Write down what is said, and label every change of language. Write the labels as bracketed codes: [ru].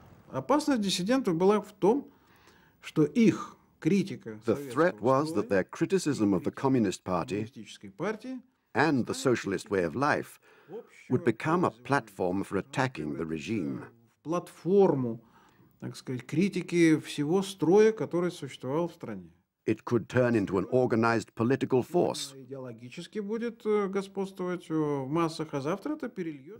[ru] Опасность диссидентов была в том, что их критика. [en] The threat was that their criticism of the Communist Party and the socialist way of life would become a platform for attacking the regime. [ru] Платформу, так сказать, критики всего строя, который существовал в стране. [en] It could turn into an organized political force. [ru] Идеологически будет господствовать в массах, а завтра это перельется.